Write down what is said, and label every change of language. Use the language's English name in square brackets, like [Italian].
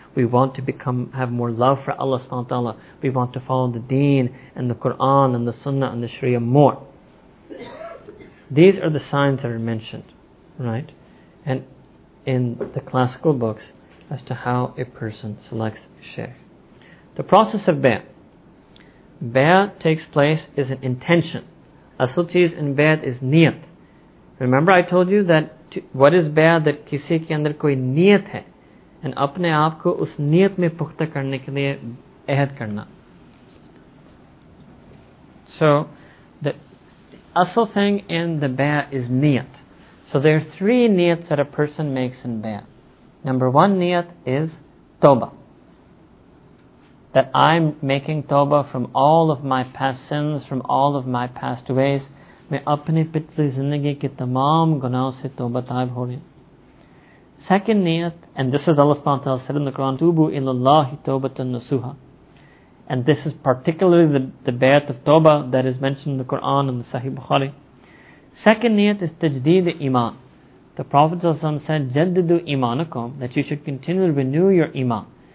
[English] We want to become have more love for Allah subhanahu wa ta'ala. We want to follow the deen and the Quran and the sunnah and the sharia more. These are the signs that are mentioned, right, and in the classical books as to how a person selects a sheikh. The process of bay'ah. Bay'ah takes place is an intention. [Urdu] اصل چیز in بیعہ is نیت. [English] Remember I told you that what is bay'ah? [Urdu] That کسی کے اندر کوئی نیت ہے. And اپنے آپ کو اس نیت میں پختہ کرنے کے لیے عہد کرنا. [English] So, the اصل thing in the بیعت is نیت. So there are three niyats that a person makes in bay'ah. Number one niyat is tawbah. That I'm making tawbah from all of my past sins, from all of my past ways. [Urdu] میں اپنے پچھلی زندگی کے تمام گناہوں سے توبہ تائب ہو رہی۔ [English] Second niyat, and this is Allah subhanahu wa ta'ala said in the Quran, [Arabic] Tubu ilallahi tawbatan nasuha. [English] And this is particularly the bay'at of tawbah that is mentioned in the Quran and the Sahih Bukhari. Second niyat is tajdeed iman. The Prophet ﷺ said, [Arabic] jaddidu imanakum, [English] that you should continually renew your iman.